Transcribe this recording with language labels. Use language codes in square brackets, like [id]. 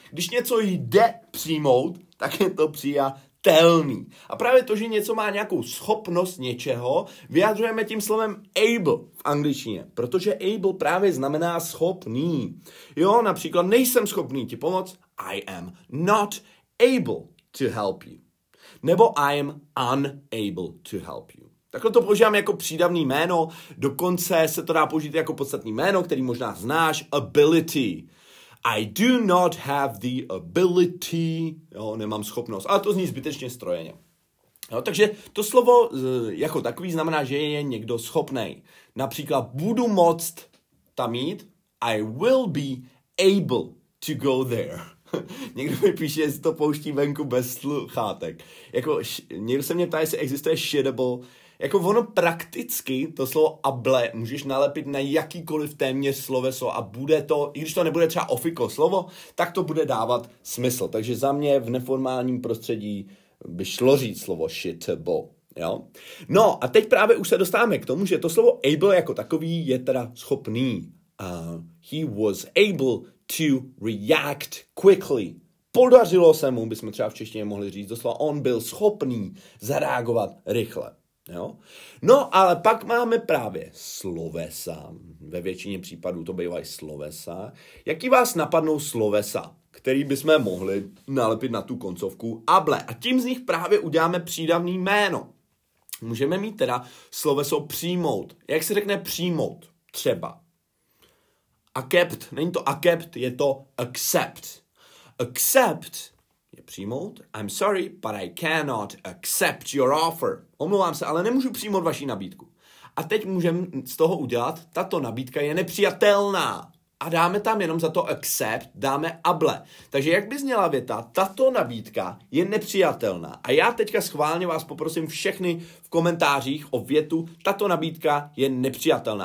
[cs] Když něco jde přijmout, tak je to přijatelný. Telný. A právě to, že něco má nějakou schopnost něčeho, vyjadřujeme tím slovem able v angličtině. Protože able právě znamená schopný. Jo, například nejsem schopný ti pomoct. [en] I am not able to help you. [cs] Nebo [en] I am unable to help you. [cs] Takhle to používám jako přídavný jméno. Dokonce se to dá použít jako podstatný jméno, který možná znáš. Ability. [en] I do not have the ability, [cs] jo, nemám schopnost, ale to zní zbytečně strojeně. Jo, takže to slovo jako takový znamená, že je někdo schopnej. Například budu moct tam jít, [en] I will be able to go there. [cs] Někdo mi píše, jestli to pouští venku bez sluchátek. Jako, někdo se mě ptá, jestli existuje shittable. Jako ono prakticky, to slovo able, můžeš nalepit na jakýkoliv téměř sloveso a bude to, i když to nebude třeba ofiko slovo, tak to bude dávat smysl. Takže za mě v neformálním prostředí by šlo říct slovo shitbo, jo? No a teď právě už se dostáváme k tomu, že to slovo able jako takový je teda schopný. [en] He was able to react quickly. [cs] Podařilo se mu, bychom třeba v češtině mohli říct to slovo, on byl schopný zareagovat rychle. Jo? No, ale pak máme právě slovesa. Ve většině případů to bývají slovesa. Jaký vás napadnou slovesa, který bychom mohli nalepit na tu koncovku able? A tím z nich právě uděláme přídavný jméno. Můžeme mít teda sloveso přijmout. Jak se řekne přijmout? Třeba. [en] Accept. [cs] Není to accept, je to accept. Accept je přijmout. [en] I'm sorry, but I cannot accept your offer. [cs] Omlouvám se, ale nemůžu přijmout vaši nabídku. A teď můžeme z toho udělat, tato nabídka je nepřijatelná. A dáme tam jenom za to accept, dáme able. Takže jak by zněla věta, tato nabídka je nepřijatelná. A já teďka schválně vás poprosím všechny v komentářích o větu, tato nabídka je nepřijatelná.